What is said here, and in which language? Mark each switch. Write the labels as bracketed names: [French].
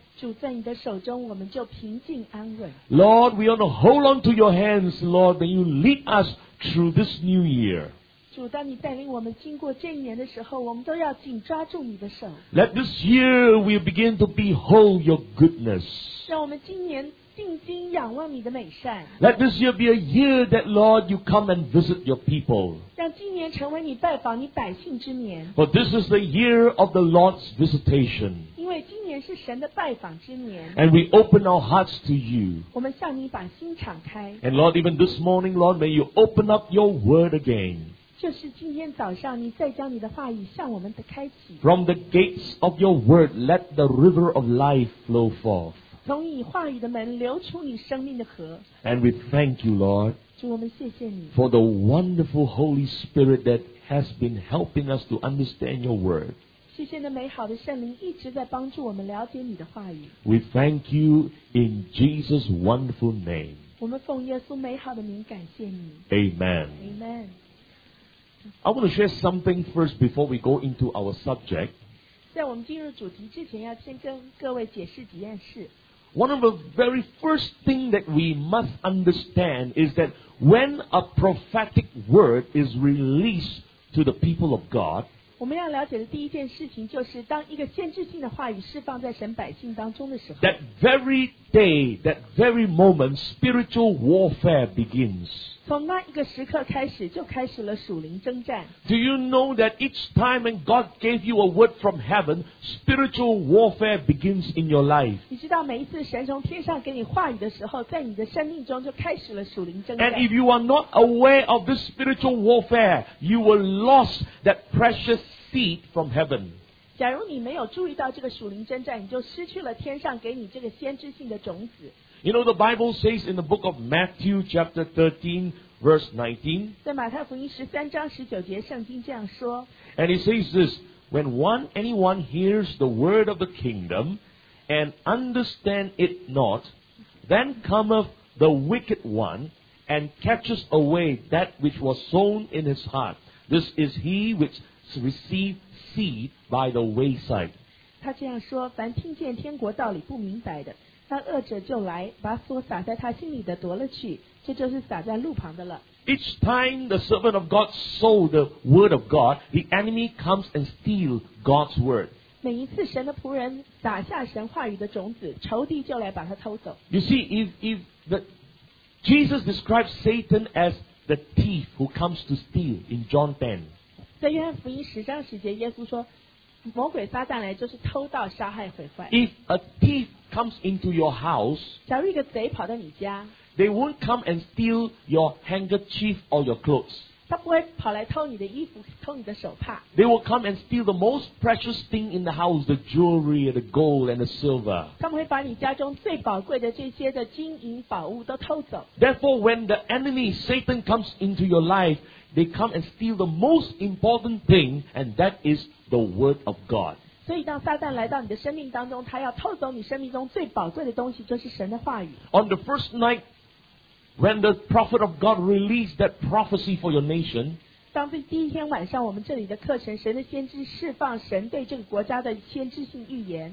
[Chinese] 主在你的手中，我们就平静安稳。 [English] Lord, we want to hold on to your hands, Lord, that you lead us through this new year. [Chinese] 主，当你带领我们经过这一年的时候，我们都要紧抓住你的手。 [English] Let this year we begin to behold your goodness. [Chinese] 让我们今年定睛仰望你的美善。 [English] Let this year be a year that Lord you come and visit your people. [Chinese] 让今年成为你拜访你百姓之年。 [English] For this is the year of the Lord's visitation. [Chinese] 因为今年是神的拜访之年。 [English] And we open our hearts to you. [Chinese] 我们向你把心敞开。 [English] And Lord, even this morning, Lord, may you open up your word again. [Chinese] 就是今天早上你再将你的话语向我们的开启 [English] From the gates of your word let the river of life flow forth [Chinese] 从你话语的门流出你生命的河 [English] And we thank you Lord [Chinese] 主我们谢谢你 [English] For the wonderful Holy Spirit that has been helping us to understand your word [Chinese] 谢谢那美好的圣灵一直在帮助我们了解你的话语 [English] We thank you in Jesus wonderful name [Chinese] 我们奉耶稣美好的名感谢你 [English] Amen Amen I want to share something first before we go into our subject. [Chinese] 在我们进入主题之前要先跟各位解释几件事。 [English] One of the very first things that we must understand is that when a prophetic word is released to the people of God, [Chinese] 我们要了解的第一件事情就是当一个先知性的话语释放在神百姓当中的时候。 [English] That very day, that very moment, spiritual warfare begins. [Chinese] 从那一个时刻开始就开始了属灵征战 [English] Do you know that each time when God gave you a word from heaven spiritual warfare begins in your life [Chinese] 你知道每一次神从天上给你话语的时候在你的生命中就开始了属灵征战 [English] And if you are not aware of this spiritual warfare you will lose that precious seed from heaven [Chinese] 假如你没有注意到这个属灵征战你就失去了天上给你这个先知性的种子 [English] You know, the Bible says in the book of Matthew chapter 13, verse 19, [Chinese] 在马太福音十三章十九节圣经这样说 [English] and it says this, when anyone hears the word of the kingdom and understand it not, then cometh the wicked one and catches away that which was sown in his heart. This is he which received seed by the wayside. [Chinese] 他这样说凡听见天国道理不明白的那恶者就来把所撒在他心里的夺了去这就是撒在路旁的了 [English] Each time the servant of God sowed the word of God the enemy comes and steals God's word [Chinese] 每一次神的仆人撒下神话语的种子仇敌就来把他偷走 [English] You see Jesus describes Satan as the thief who comes to steal in John 10 [Chinese] 在约翰福音十章十节耶稣说魔鬼撒旦来就是偷盗杀害毁坏 [English] If a thief comes into your house [Chinese] 假如一个贼跑到你家 [English] They won't come and steal your handkerchief or your clothes [Chinese] 他不会跑来偷你的衣服偷你的手帕 [English] They will come and steal the most precious thing in the house the jewelry, the gold and the silver [Chinese] 他们会把你家中最宝贵的这些的金银宝物都偷走 [English] Therefore when the enemy Satan comes into your lifeThey come and steal the most important thing, and that is the Word of God. [Chinese] 所以当撒旦来到你的生命当中，他要偷走你生命中最宝贵的东西，就是神的话语。 [English] On the first night, when the prophet of God released that prophecy for your nation, [Chinese] 当第一天晚上我们这里的课程，神的先知释放神对这个国家的先知性预言。